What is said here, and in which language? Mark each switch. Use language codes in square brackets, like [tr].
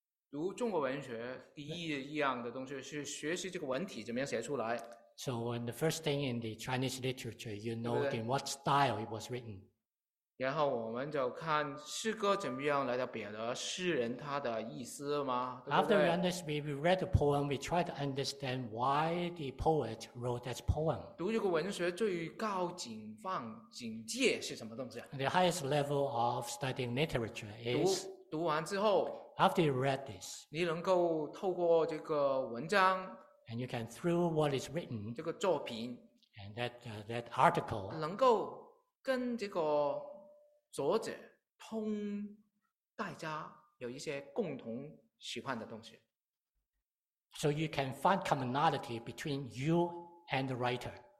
[zh] 读中国文学第一样的东西是学习这个文体怎么样写出来。 [en] So when the first thing in the Chinese literature, you know in what style it was written. [zh] 然后我们就看诗歌怎么样来表达诗人他的意思吗？ [en] After we understand, we read the poem, we try to understand why the poet wrote that poem. [zh] 读这个文学最高警戒是什么东西？ [en] The highest level of studying literature is. [zh] 读完之后。 [en] After you read this. [zh] 你能够透过这个文章。 [en] And you can, through what is written, [zh] 这个作品, [en] and that, that article, [zh] 能够跟这个作者通大家有一些共同喜欢的东西。 [en] So you can find commonality between you and the writer.